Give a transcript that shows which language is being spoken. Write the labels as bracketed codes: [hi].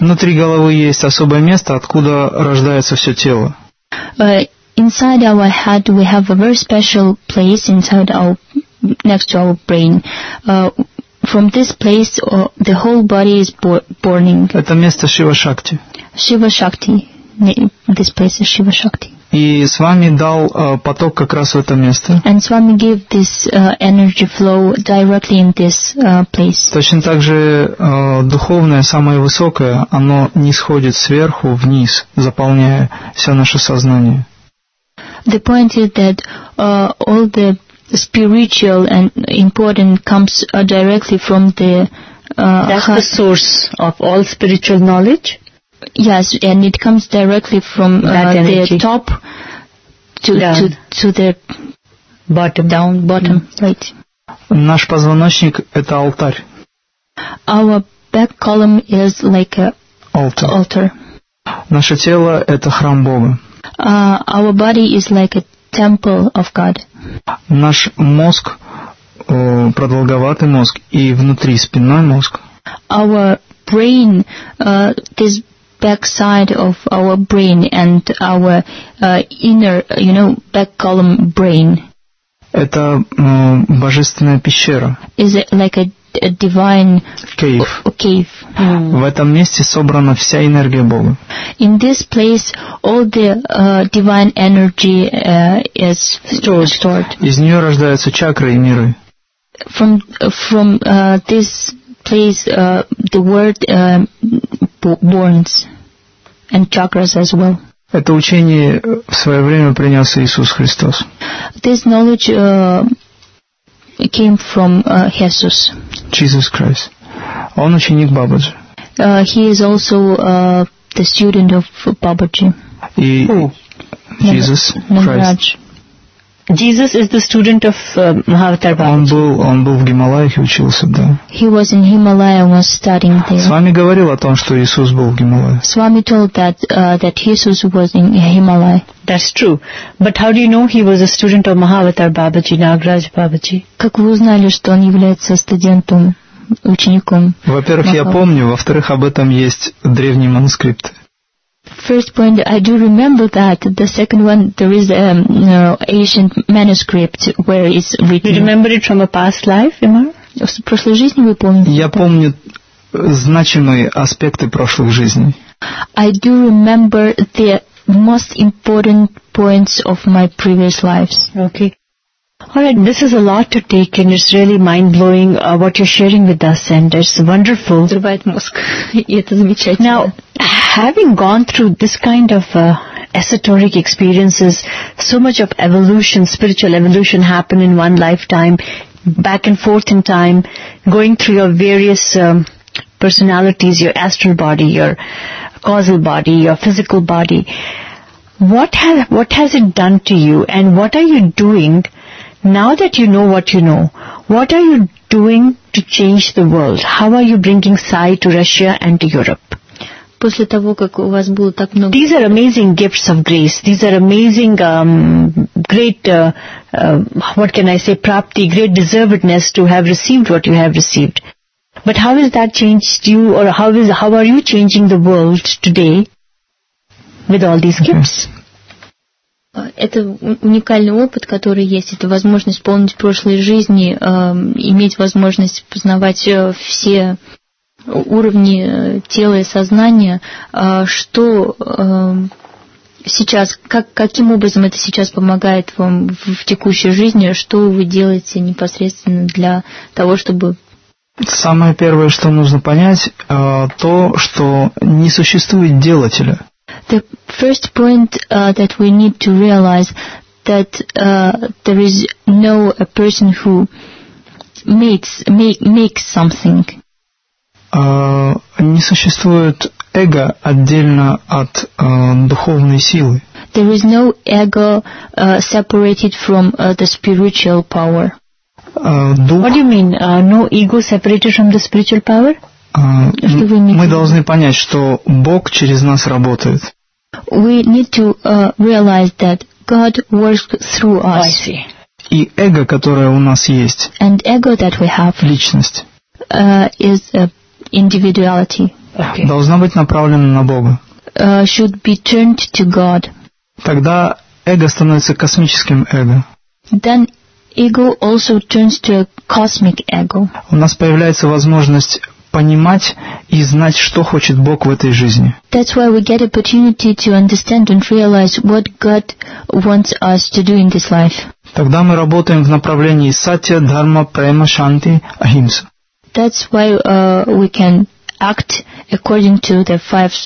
[ru] Внутри головы есть особое место, откуда рождается все тело. [en] Inside our head we have a very special place inside our next to our brain. From this place the whole body is burning. [ru] Это место Шива Шакти. [en] Шива Шакти. This place is Shiva Shakti. [ru] И Свами дал поток как раз в это место. [en] And Swami gave this energy flow directly in this place. [ru] Точно так же духовное, самое высокое, оно нисходит сверху вниз, заполняя все наше сознание. [en] The point is that all the spiritual and important comes directly from the That's the source of all spiritual knowledge. Yes, and it comes directly from the top to the bottom. Down, bottom, right. [ru] Наш позвоночник – это алтарь. [en] Our back column is like an [ru] altar. Наше тело – это храм Бога. [en] Our body is like a temple of God. [ru] Наш мозг, продолговатый мозг, и внутри спинной мозг. [en] Our brain, this backside of our brain and our inner, you know, back column brain. [ru] Это божественная пещера. [en] Is it like a divine cave? [ru] В этом месте собрана вся энергия Бога. [en] In this place, all the divine energy is stored. [ru] Из нее рождаются чакры и миры. [en] From this place, the world burns. And chakras as well. [ru] Это учение в свое время принес Иисус Христос. [en] This knowledge came from Jesus. [ru] Jesus Christ. Он ученик Бабаджи. [en] He is also the student of Бабаджи. [ru] И [en] who? Jesus Christ. Jesus is the student of Mahavatar Babaji. [ru] Он был в Гималаях и учился, да. [en] He was in Himalaya and was studying there. [ru] Свами говорил о том, что Иисус был в Гималаях. [en] Swami told that that Jesus was in Himalaya. That's true. But how do you know he was a student of Mahavatar Babaji, Nagaraj Babaji? [ru] Как вы узнали, что он является студентом, учеником? Во-первых, я помню, во-вторых, об этом есть древний манускрипт. [en] First point, I do remember that. The second one, there is an ancient manuscript where it's written. You remember it from a past life, Imar? [ru] В прошлой жизни вы помните? Я помню значимые аспекты прошлых жизней. [en] I do remember the most important points of my previous lives. Okay. All right, this is a lot to take, and it's really mind-blowing what you're sharing with us, and it's wonderful. Now, having gone through this kind of esoteric experiences, so much of evolution, spiritual evolution happened in one lifetime, back and forth in time, going through your various personalities, your astral body, your causal body, your physical body, what has it done to you, and what are you doing? Now that you know what you know, what are you doing to change the world? How are you bringing Sai to Russia and to Europe? [ru] После того, как у вас было так много... [en] These are amazing gifts of grace. These are amazing, prapti, great deservedness to have received what you have received. But how has that changed you, or how are you changing the world today with all these gifts? Okay. [ru] Это уникальный опыт, который есть. Это возможность вспомнить прошлые жизни, иметь возможность познавать все уровни тела и сознания. Что сейчас, каким образом это сейчас помогает вам в текущей жизни? Что вы делаете непосредственно для того, чтобы... Самое первое, что нужно понять, то, что не существует делателя. [en] The first point that we need to realize that there is no a person who makes something. [ru] Не существует эго отдельно от духовной силы. [en] There is no ego separated from the spiritual power. What do you mean? No ego separated from the spiritual power? [ru] Мы должны понять, что Бог через нас работает. [en] We need to realize that God works through us. I see. [ru] И эго, которое у нас есть. [en] And ego that we have. [ru] Личность. [en] Is individuality. Okay. [ru] Должна быть направлена на Бога. [en] Should be turned to God. [ru] Тогда эго становится космическим эго. [en] Then ego also turns to a cosmic ego. [ru] У нас появляется возможность понимать и знать, что хочет Бог в этой жизни. [en] That's why we get opportunity to understand and realize what God wants us to do in this life. [ru] Тогда мы работаем в направлении сатья, дхарма, према, шанти, ахимса. [en] That's why we can act according to the five